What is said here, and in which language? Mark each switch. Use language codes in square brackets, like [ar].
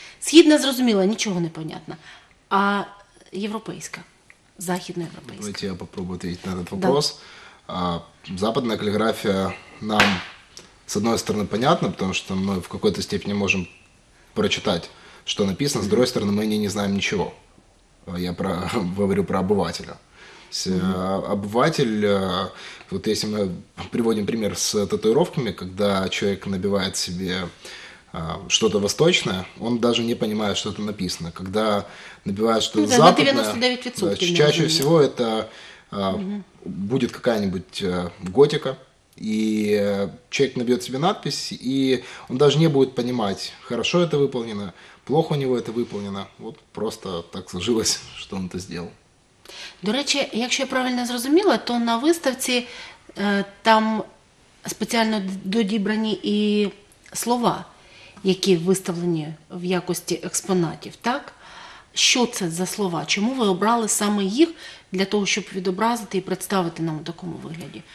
[uk] Східна, зрозуміла, нічого не понятно, а європейська, західноєвропейська. Давайте я спробую відповісти на цей питання. Да. Западна каліграфія нам, з одної сторони, понятна, тому що ми в якійсь степені можемо прочитати, що написано, з іншої сторони, ми не знаємо нічого. [ru] Я говорю про обывателя. Обыватель, вот если мы приводим пример с татуировками, когда человек набивает себе что-то восточное, он даже не понимает, что это написано. Когда набивает что-то западное, 99%, да, чаще всего это будет какая-нибудь готика, и человек набьет себе надпись, и он даже не будет понимать, хорошо это выполнено, плохо у него это выполнено. Вот просто так сложилось, что он это сделал. [uk] До речі, якщо я правильно зрозуміла, то на виставці там спеціально додібрані і слова, які виставлені в якості експонатів, так? Що це за слова? Чому ви обрали саме їх для того, щоб відобразити і представити нам у такому вигляді?